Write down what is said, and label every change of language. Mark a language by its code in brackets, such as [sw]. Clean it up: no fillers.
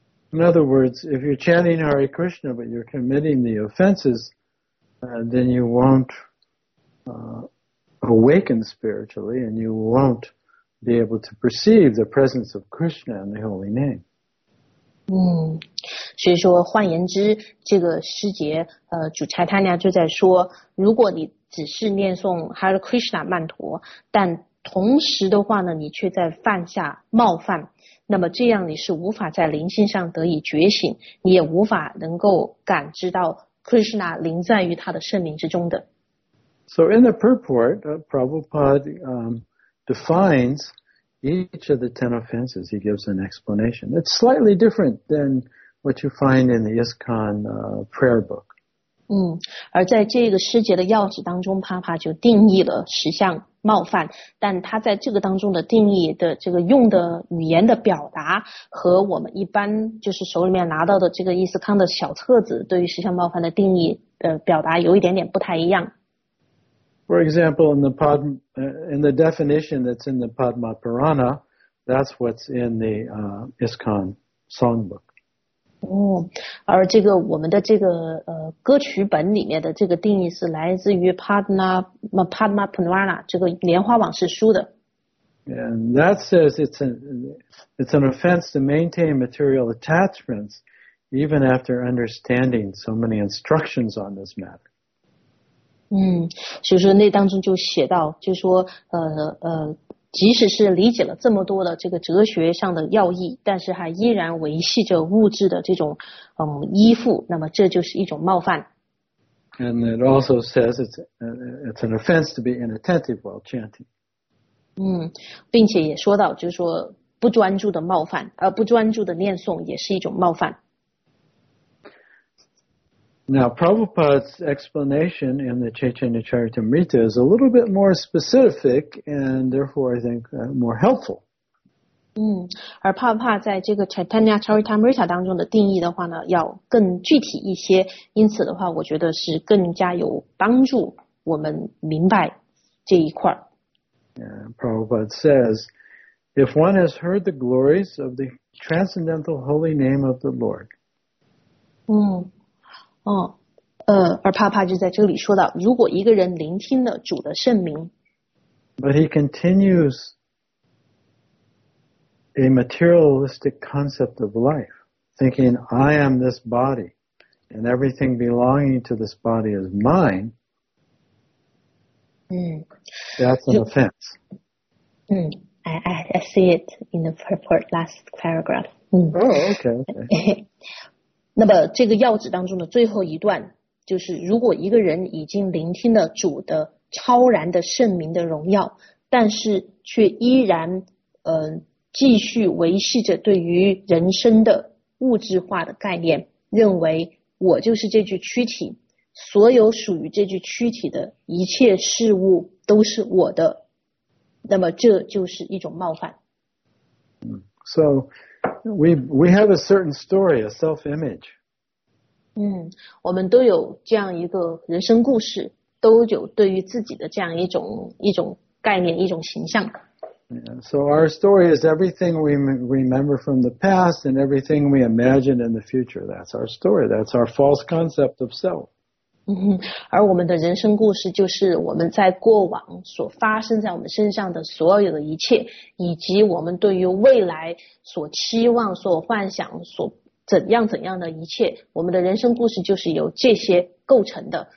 [en] In other words, if you're chanting Hare Krishna, but you're committing the offenses, then you won't awaken spiritually, and you won't be able to perceive the presence of Krishna in the holy name. [zh] 所以说换言之这个师节主差他娘就在说如果你只是念诵 Hare Krishna 曼陀但同时的话呢你却在犯下冒犯那么这样你是无法在灵性上得以觉醒你也无法能够感知到 Krishna 临在于他的圣名之中的。 [en] So in the purport, Prabhupada defines each of the ten offenses, he gives an explanation. It's slightly different than what you find in the ISKCON prayer book. [zh] 而在这个诗节的要旨当中，帕帕就定义了十项冒犯，但他在这个当中的定义的这个用的语言的表达和我们一般就是手里面拿到的这个伊斯康的小册子对于十项冒犯的定义的表达有一点点不太一样。 [en] For example, in the definition that's in the Padma Purana, that's what's in the ISKCON songbook. [zh] 而这个我们的这个歌曲本里面的这个定义是来自于 Padma Purana 这个莲花网誓书的。 [en] And that says it's an offense to maintain material attachments even after understanding so many instructions on this matter. [zh] 所以说那当中就写到，就说即使是理解了这么多的这个哲学上的要义，但是还依然维系着物质的这种依附，那么这就是一种冒犯。 [en] And it also says it's an offense to be inattentive while chanting. [zh] 并且也说到，就是说不专注的冒犯，不专注的念诵也是一种冒犯。 [en] Now, Prabhupada's explanation in the Chaitanya Charitamrita is a little bit more specific and therefore, I think, more helpful. [zh] 而帕帕在这个 Chaitanya Charitamrita 当中的定义的话呢，要更具体一些，因此的话，我觉得是更加有帮助我们明白这一块。 [en] Prabhupada says, if one has heard the glories of the transcendental holy name of the Lord. [zh] 而帕帕就在这里说到，如果一个人聆听了主的圣名 [en] ，But he continues a materialistic concept of life, thinking I am this body, and everything belonging to this body is mine. That's an offense. I see it in the purport last paragraph. Okay. [zh] 那么这个要旨当中的最后一段，就是如果一个人已经聆听了主的超然的圣名的荣耀，但是却依然继续维系着对于人生的物质化的概念，认为我就是这具躯体，所有属于这具躯体的一切事物都是我的，那么这就是一种冒犯。 [en] So We have a certain story, a self-image. [zh] 我们都有这样一个人生故事，都有对于自己的这样一种概念，一种形象。 [en] So our story is everything we remember from the past and everything we imagine in the future. That's our story. That's our false concept of self. [zh] 而我们的人生故事就是我们在过往所发生在我们身上的所有的一切，以及我们对于未来所期望、所幻想、所怎样怎样的一切，我们的人生故事就是由这些构成的。